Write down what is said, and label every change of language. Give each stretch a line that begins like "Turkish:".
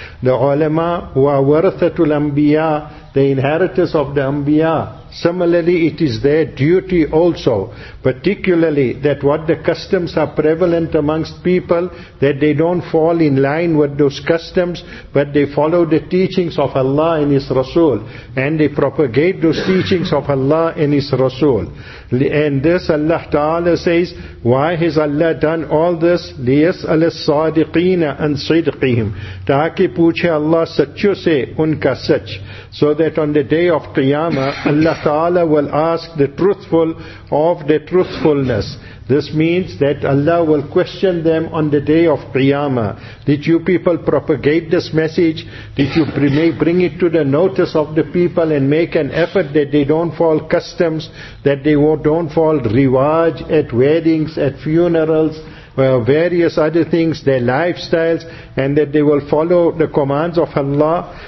English: The
Arabic: ulama wa warathatul anbiya,
English: the inheritors of the anbiya, similarly it is their duty also, particularly that what the customs are prevalent amongst people, that they don't fall in line with those customs, but they follow the teachings of Allah and His Rasul, and they propagate those teachings of Allah and His Rasul. And this Allah Ta'ala says, why has Allah done all this?
Arabic: لِيَسْأَلَ الصَّادِقِينَ عَنْ صِدْقِهِمْ
Urdu: تَاكِ پُوچھے اللہ سچو سے ان کا سچ.
English: So that on the day of Qiyamah, Allah Ta'ala will ask the truthful of the truthfulness. This means that Allah will question them on the day of Qiyamah. Did you people propagate this message? Did you bring it to the notice of the people and make an effort that they don't fall customs, that they don't fall riwaj at weddings, at funerals, well, various other things, their lifestyles, and that they will follow the commands of Allah?